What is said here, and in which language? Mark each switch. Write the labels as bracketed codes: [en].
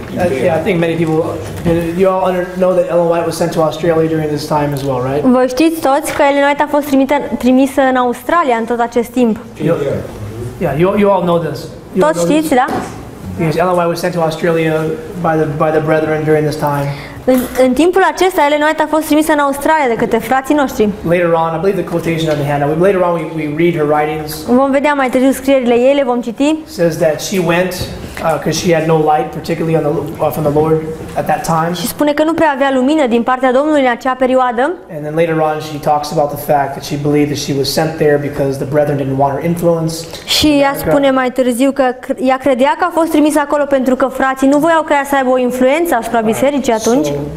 [en] Yeah, I think many people, you all know that Ellen White was sent to Australia during this time as well, right? [ro] Vă știți toți că Ellen White a fost trimisă în Australia în tot acest timp. [en] You all know this. [ro] Toți știți, da? [en] Yes, Ellen White was sent to Australia by the brethren during this time. [ro] În timpul acesta, Ellen White a fost trimisă în Australia de către frații noștri. [en] Later on, I believe the quotation on the handout. Later on, we read her writings. [ro] Vom vedea mai târziu scrierile ei, le vom citi. [en] Says that she went because she had no light, particularly on the from the Lord at that time. [ro] Și spune că nu prea avea lumină din partea Domnului în acea perioadă. [en] And then later on, she talks about the fact that she believed that she was sent there because the brethren didn't want her influence. [ro] Și ea spune mai târziu că ea credea că a fost trimisă acolo pentru că frații nu voiau ca ea să aibă o influență asupra bisericii atunci.